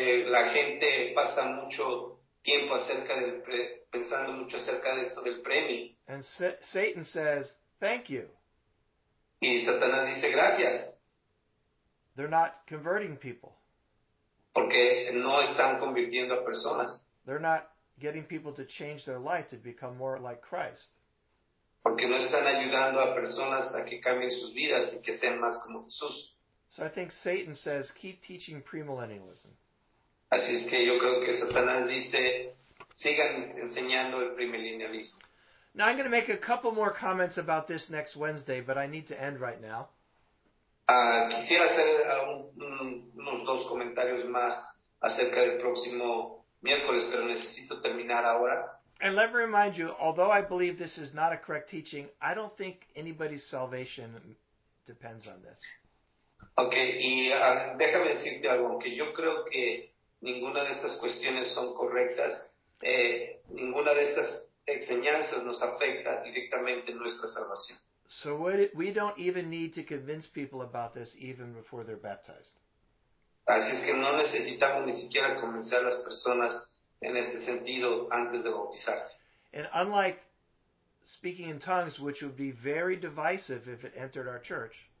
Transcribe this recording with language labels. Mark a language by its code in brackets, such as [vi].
[es] La gente pasa mucho tiempo acerca del pensando mucho acerca de esto del premio. [en] And Satan says, thank you. [es] Y Satanás dice, gracias. [en] They're not converting people. [es] Porque no están convirtiendo a personas. [en] They're not getting people to change their life to become more like Christ. [es] Porque no están ayudando a personas a que cambien sus vidas y que sean más como Jesús. [en] So I think Satan says, keep teaching premillennialism. [es] Así es que yo creo que Satanás dice, sigan enseñando el premillennialismo. [en] Now I'm going to make a couple more comments about this next Wednesday, but I need to end right now. [es] Quisiera hacer unos dos comentarios más acerca del próximo miércoles, pero necesito terminar ahora. [en] And let me remind you, although I believe this is not a correct teaching, I don't think anybody's salvation depends on this. [es] Okay, y déjame decirte algo, aunque yo creo que ninguna de estas cuestiones son correctas, ninguna de estas enseñanzas nos afecta directamente en nuestra salvación. [en] So we don't even need to convince people about this even before they're baptized. [es] Así es que no necesitamos ni siquiera convencer a las personas en este sentido antes de bautizarse. [en] And unlike speaking in tongues, which would be very divisive if it entered our church.